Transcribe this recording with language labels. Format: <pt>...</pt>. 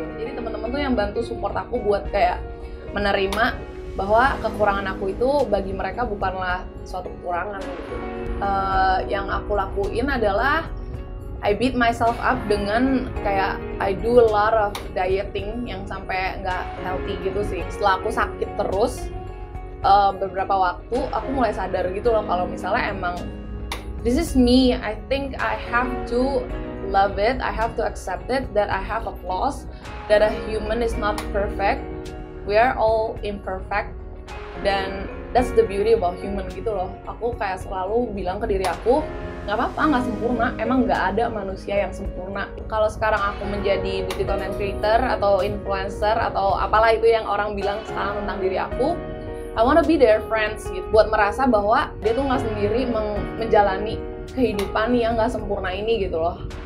<id>Jadi teman-teman tuh yang bantu support aku buat kayak menerima bahwa kekurangan aku itu bagi mereka bukanlah suatu kekurangan gitu. Yang aku lakuin adalah</id> <en>I beat myself up</en> <id>dengan kayak</id> <en>I do a lot of dieting</en> <id>yang sampai nggak healthy gitu sih. Setelah aku sakit terus beberapa waktu, aku mulai sadar gitu loh kalau misalnya emang</id> <en>this is me, I think I have to love it, I have to accept it that I have a flaws, that a human is not perfect. We are all imperfect, dan that's the beauty about human gitu loh.</en> <id>Aku kayak selalu bilang ke diri aku, nggak apa-apa, nggak sempurna. Emang nggak ada manusia yang sempurna. Kalau sekarang aku menjadi beauty content creator atau influencer atau apalah itu yang orang bilang sekarang tentang diri aku,</id> <en>I wanna be their friends</en> <id>gitu. Buat merasa bahwa dia tuh nggak sendiri menjalani kehidupan yang nggak sempurna ini gitu loh.</id>